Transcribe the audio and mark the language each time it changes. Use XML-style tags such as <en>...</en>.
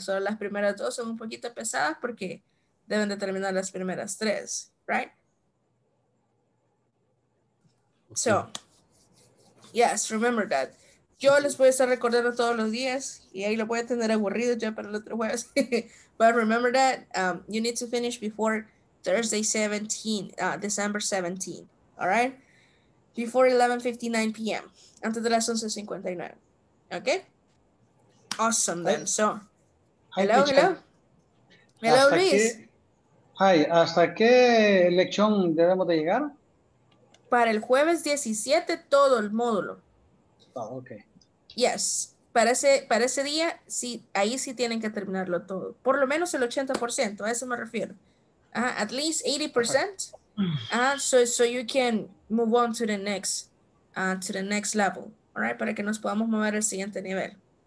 <es>Solo las primeras dos son un poquito pesadas porque deben de terminar las primeras tres. Right?</es> <en>So, yes, remember that.</en> <es>Yo les voy a estar recordando todos los días y ahí lo voy a tener aburrido ya para el otro jueves.</es> <en>But remember that you need to finish before Thursday 17, December 17, all right? Before 11:59 p.m.</en> <es>Antes de las 11:59,</es> <en>okay? Awesome then. So, hello Luis.</en> <es>¿Hasta qué lección debemos de llegar? Para el jueves 17, todo el módulo. Oh, ok.</es> <en>Yes.</en> <es>Para ese día, sí, ahí sí tienen que terminarlo todo. Por lo menos el 80%, a eso me refiero.</es> <en>At least 80%. So you can move on to the next level. All right,</en> <es>para que nos podamos mover al siguiente nivel.</es>